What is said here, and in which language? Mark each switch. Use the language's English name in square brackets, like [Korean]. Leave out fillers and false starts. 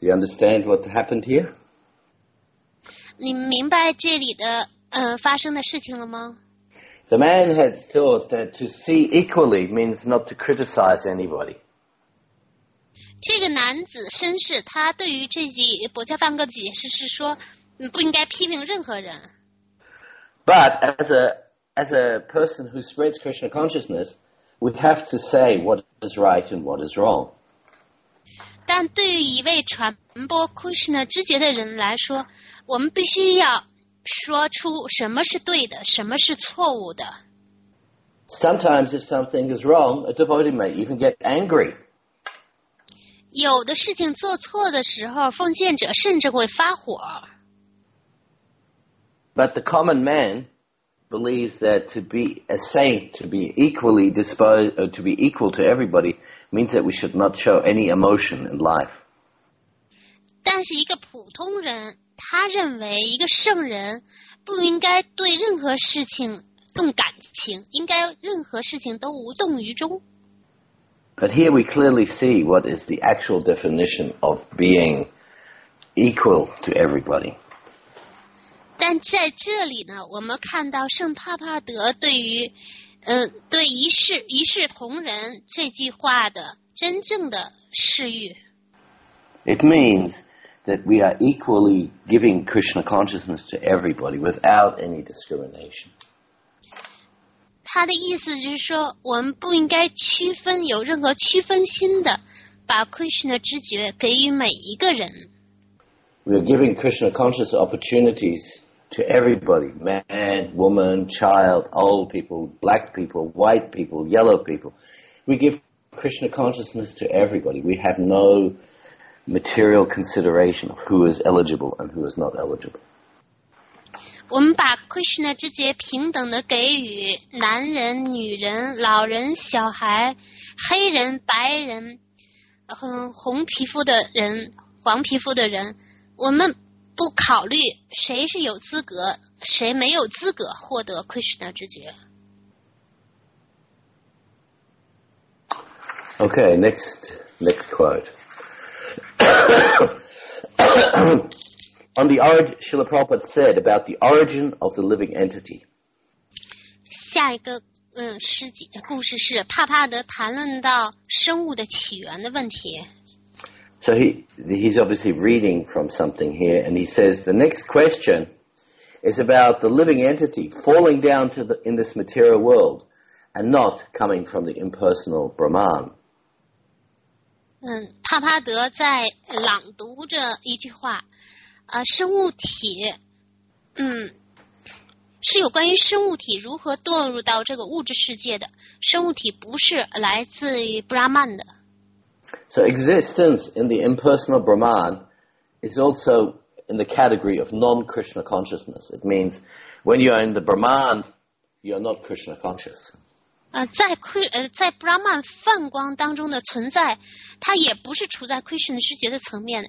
[English] Do you understand what happened here? [Chinese] 你明白这里的发生的事情了吗？ [English] The man had thought that to see equally means not to criticize anybody. [Chinese] 这个男子绅士，他对于这几薄伽梵歌的解释是说，不应该批评任何人。 [English] But as a person who spreads Krishna consciousness, we have to say what is right and what is wrong. [Chinese] 但对于一位传播 Krishna 知觉的人来说，我们必须要说出什么是对的，什么是错误的。 [English] Sometimes if something is wrong, a devotee may even get angry. [Chinese] 有的事情做错的时候，奉献者甚至会发火。 [English] But the common man believes that to be a saint, to be equally disposed, or to be equal to everybody, means that we should not show any emotion in life. [Chinese] 但是一个普通人，他认为一个圣人不应该对任何事情动感情，应该任何事情都无动于衷。 [English] But here we clearly see what is the actual definition of being equal to everybody. [Chinese] 但在这里呢，我们看到圣帕帕德对于，对一视同仁这句话的真正的释义。 [English] It means that we are equally giving Krishna consciousness to everybody without any discrimination. [Chinese] 他的意思就是说，我们不应该区分，有任何区分心的，把 Krishna 知觉给予每一个人。 [English] We are giving Krishna consciousness opportunities to everybody, man, woman, child, old people, black people, white people, yellow people. We give Krishna consciousness to everybody. We have no material consideration of who is eligible and who is not eligible. [Chinese] 我们把 Krishna 知觉平等的给予男人、女人、老人、小孩、黑人、白人、红皮肤的人、黄皮肤的人，我们不考虑谁是有资格，谁没有资格获得 Krishna 知觉。 [English] Okay, next quote. On the origin, Srila Prabhupada said about the origin of the living entity. [Chinese] 下一个诗节故事是帕帕德谈论到生物的起源的问题。 [English] So he's obviously reading from something here, and he says the next question is about the living entity falling down to in this material world and not coming from the impersonal Brahman. [Chinese] 帕帕德在朗读着一句话，生物体，是有关于生物体如何堕入到这个物质世界的。生物体不是来自于布拉曼的。 [English] So existence in the impersonal Brahman is also in the category of non-Krishna consciousness. It means when you are in the Brahman, you are not Krishna conscious. [Chinese] 在布拉曼梵光当中的存在，它也不是处在 Krishna 知觉的层面。